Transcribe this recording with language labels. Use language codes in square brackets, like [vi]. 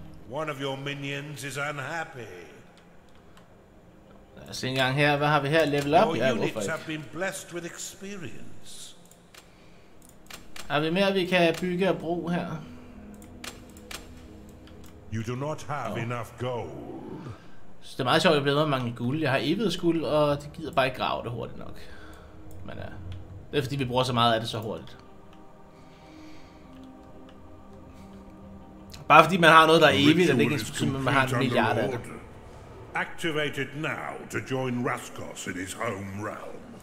[en] One of your minions is unhappy. [da] Lad os se en gang her. Hvad har vi her? Level up? Ja, hvorfor ikke? [en] Have been blessed with experience. [da] Har vi mere, vi kan bygge og bruge her? [en] You do not have enough gold. [da] Så det er meget sjovt, at jeg bliver mangler guld. Jeg har evighedsguld, og det gider bare ikke grave det hurtigt nok. Men ja, det er fordi, vi bruger så meget af det så hurtigt. Bare fordi man har noget, der er evigt, er det ikke ens betydning, at man har en milliard af det. [en] Activate it now to join Raskos in his home realm.